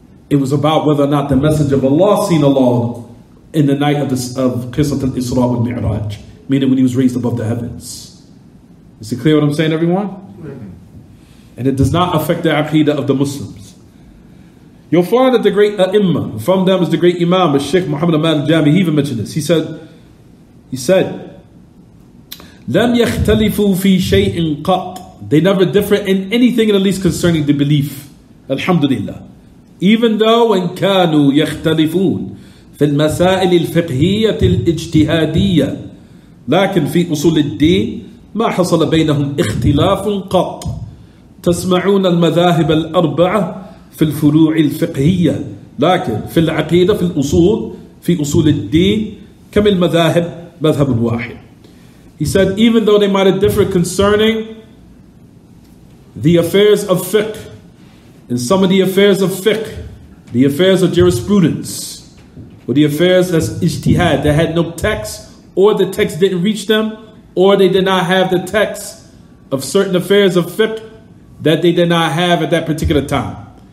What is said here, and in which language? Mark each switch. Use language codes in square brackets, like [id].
[en] It was about whether or not the message of Allah seen Allah in the night of Qisat al-Isra wa al-Mi'raj, meaning when he was raised above the heavens. Is it clear what I'm saying, everyone? And it does not affect the aqidah of the Muslims. You'll find that the great a'imma, from them is the great imam, Shaykh Muhammad Aman al-Jami, he even mentioned this. He said, [ar] لَمْ يَخْتَلِفُوا فِي شَيْءٍ قَطْ. [en] They never differ in anything in the least concerning the belief. [ar] Alhamdulillah. [en] Even though, [ar] إِنْ كَانُوا يَخْتَلِفُونَ فِي الْمَسَائِلِ الْفِقْهِيَةِ الْإِجْتِهَادِيَّةِ لَكِنْ فِي أُصُولِ الدِّينِ مَا حَصَلَ بَيْنَهُمْ إِخْتِلَافٌ قَطْ. تسمعون المذاهب الأربعة في الفروع الفقهية لكن في العقيدة في الأصول في أصول الدين كم المذاهب مذهب واحد. [en] He said, even though they might have differed concerning the affairs of fiqh, in some of the affairs of fiqh, the affairs of jurisprudence, or the affairs as ijtihad, they had no text, or the text didn't reach them, or they did not have the text of certain affairs of fiqh that they did not have at that particular time.